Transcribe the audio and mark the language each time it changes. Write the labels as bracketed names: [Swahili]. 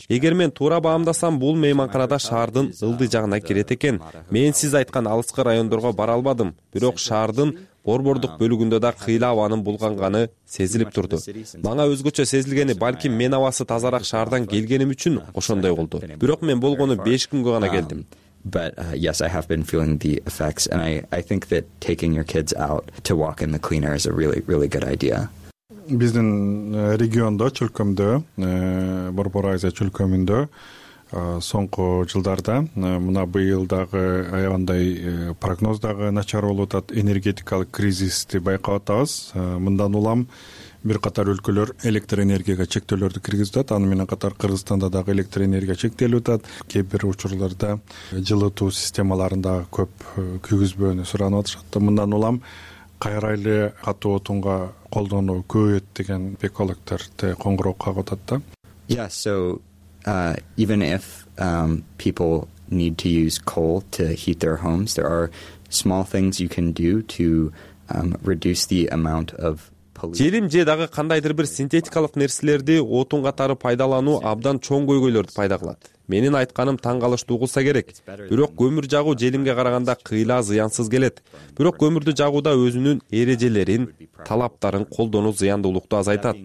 [Kyrgyz] Эгер мен туура баамдасам, бул мейманканада шаардын ылдый жагына кирет экен. Мен сиз айткан алыскы райондорго бара албадым. Бирок шаардын борбордук бөлүгүндө да кыйла абанын булганганы сезилип турду. Мага өзгөчө сезилгени, балким мен абасы тазараак шаардан келгеним үчүн ошондой болду. Бирок мен болгону 5 күнгө гана келдим. [English] But yes, I have been feeling the effects, and I think that taking your kids out to walk in the clean air is a really, really good idea. [Kyrgyz] Биздин региондо, чөлкөмдө, Борбор Азия чөлкөмүндө соңку жылдарда мына быйыл дагы аябандай прогноз дагы начар болуп атат, энергетикалык кризисти байкап атабыз. Мындан улам бир катар өлкөлөр электр энергияга чектөөлөрдү киргизип атат. Аны менен катар Кыргызстанда дагы электр энергия чектелип атат. Кээ бир учурларда жылытуу системаларын дагы көп күйгүзбөөнү суранып атышат. Мындан улам кайра эле катуу отунга колдонуу көбөйөт деген экологдорду коңгуроо кагып атат да. [English] Yeah, so even if people need to use coal to heat their homes, there are small things you can do to reduce the amount of [Kyrgyz] желим же дагы кандайдыр бир синтетикалык нерселерди отун катары пайдалануу абдан чоң көйгөйлөрдү пайда кылат. Менин айтканым таң калыштуу болсо керек. Бирок көмүр жагуу желимге караганда кыйла зыянсыз келет. Бирок көмүрдү жагууда өзүнүн эрежелерин, талаптарын колдонуу зыяндуулукту азайтат.